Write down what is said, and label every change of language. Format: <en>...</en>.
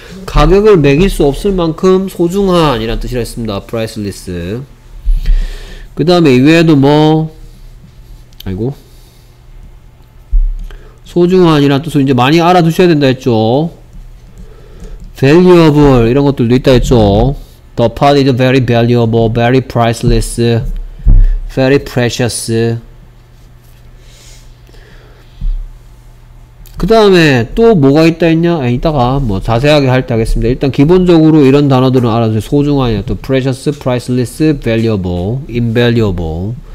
<ko>가격을 매길 수 없을 만큼 소중한 이란 뜻이라 했습니다.</ko> <en>priceless.</en> <ko>그 다음에 이외에도 뭐 아이고 소중한 이란 뜻을 이제 많이 알아두셔야 된다 했죠. valuable 이런 것들도 있다 했죠.</ko> <en>The pot is very valuable, very priceless, very precious.</en> <ko>그 다음에 또 뭐가 있다 했냐? 아니, 이따가 뭐 자세하게 할 때 하겠습니다. 일단 기본적으로 이런 단어들은 알아두세요. 소중한 이란 뜻, precious, priceless, valuable, invaluable.</ko>